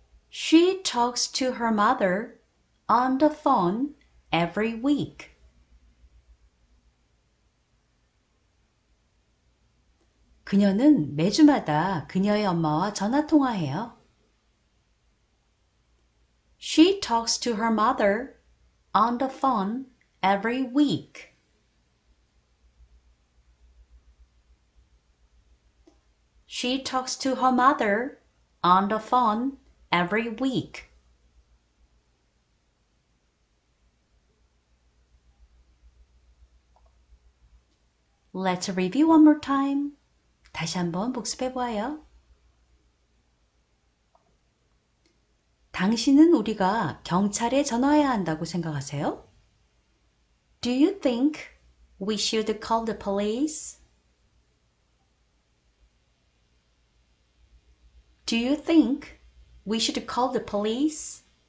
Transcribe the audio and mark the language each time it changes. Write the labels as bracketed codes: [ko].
[en] She talks to her mother on the phone every week. [ko] "그녀는 매주마다 그녀의 엄마와 전화 통화해요." [en] She talks to her mother on the phone every week. She talks to her mother on the phone every week. 'Let's review one more time.' [ko] 다시 한번 복습해 보아요. 당신은 우리가 경찰에 전화해야 한다고 생각하세요? [en] Do you think we should call the police? Do you think we should call the police?